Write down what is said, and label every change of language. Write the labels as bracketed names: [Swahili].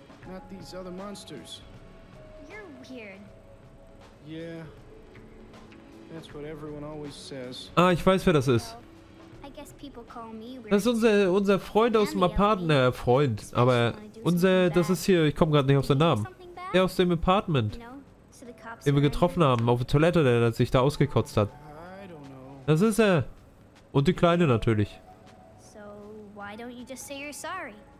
[English] Not these other monsters. You're weird. Yeah. That's what everyone always says. [German] Ah, ich weiß, wer das ist. [English] I guess people call me weird. [German] Das ist unser Freund aus dem Apartment. Ja, Freund. Aber unser, das ist hier, ich komme gerade nicht auf seinen Namen. Der aus dem Apartment. Den wir getroffen haben, auf der Toilette, der sich da ausgekotzt hat. Das ist er. Und die Kleine natürlich. [English] So, why don't you just say you're sorry?